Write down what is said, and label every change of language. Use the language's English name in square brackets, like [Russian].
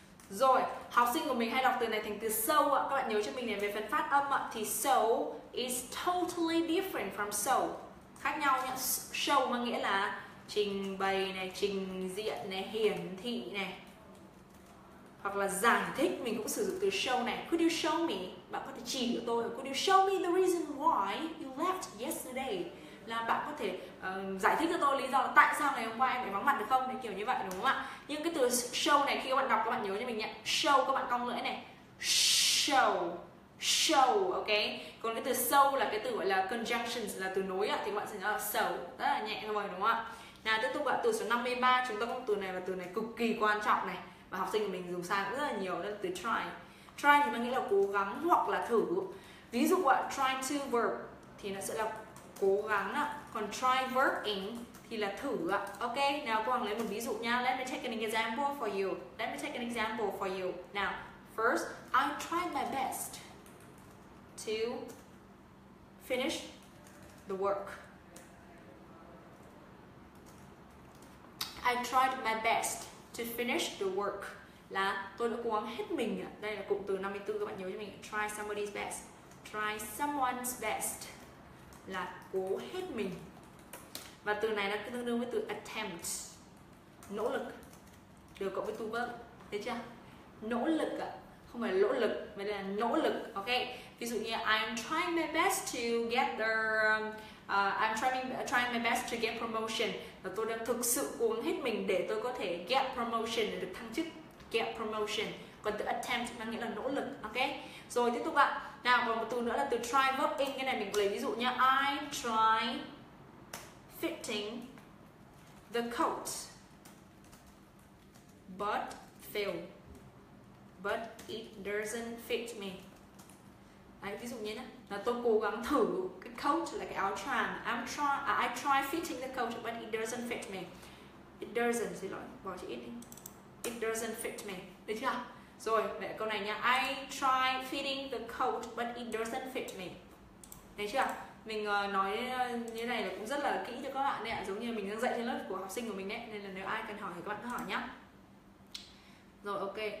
[Vietnamese] Rồi, học sinh của mình hay đọc từ này thành từ show ạ. Các bạn nhớ cho mình này, về phần phát âm ạ, thì [English] show is totally different from show. [Vietnamese] Khác nhau nhá, show mà nghĩa là trình bày này, trình diện này, hiển thị này. Hoặc là giải thích, mình cũng sử dụng từ show này. [English] Could you show me, [Vietnamese] bạn có thể chỉ cho tôi. [English] Could you show me the reason why you left yesterday? [Vietnamese] Là bạn có thể giải thích cho tôi lý do tại sao ngày hôm qua em phải vắng mặt được không? Thì kiểu như vậy đúng không ạ? Nhưng cái từ show này khi các bạn đọc các bạn nhớ cho mình nhé. Show các bạn cong lưỡi này. Show. Show, ok. Còn cái từ show là cái từ gọi là conjunctions, là từ nối ạ. Thì các bạn sẽ nói là show. Rất là nhẹ thôi đúng không ạ? Nào tiếp tục ạ, từ số 53 chúng ta có một từ này, và từ này cực kỳ quan trọng này. Và học sinh của mình dùng sai cũng rất là nhiều. Đó là từ try. Try thì mang nghĩa là cố gắng hoặc là thử. Ví dụ ạ, try to verb thì nó sẽ là cố gắng ạ. Còn try working thì là thử ạ. Ok, nào cô Hoàng lấy một ví dụ nha. [English] Let me take an example for you. Let me take an example for you. Now, first, I tried my best to finish the work. I tried my best to finish the work. [Vietnamese] Là tôi đã cố gắng hết mình ạ. Đây là cụm từ 54 các bạn nhớ cho mình. [English] Try somebody's best. Try someone's best. [Vietnamese] Là cố hết mình. Và từ này nó tương đương với từ attempt. Nỗ lực. Đều cộng với to verb. Thấy chưa? Nỗ lực ạ. Không phải lỗ lực, mà đây là nỗ lực. [English] Ok. Ví dụ như I'm trying my best to get the I'm trying my best to get promotion. [Vietnamese] Và tôi đang thực sự cố gắng hết mình để tôi có thể get promotion, để được thăng chức. Get promotion. Còn từ attempt nó nghĩa là nỗ lực. Ok. Rồi tiếp tục ạ. Nào còn một từ nữa là từ try working. Cái này mình lấy ví dụ nha. [English] I try fitting the coat but fail. But it doesn't fit me. [Vietnamese] Đấy, ví dụ như thế là tôi cố gắng thử cái coat, là cái áo choàng. [English] I try fitting the coat but it doesn't fit me. It doesn't, [Vietnamese] xin lỗi, bỏ chữ it đi. [English] It doesn't fit me. [Vietnamese] Được chưa? Rồi, để câu này nha. [English] I try fitting the coat, but it doesn't fit me. [Vietnamese] Thấy chưa? Mình nói như này là cũng rất là kỹ cho các bạn đấy ạ. Giống như mình đang dạy trên lớp của học sinh của mình đấy. Nên là nếu ai cần hỏi thì các bạn cứ hỏi nhá. Rồi, ok.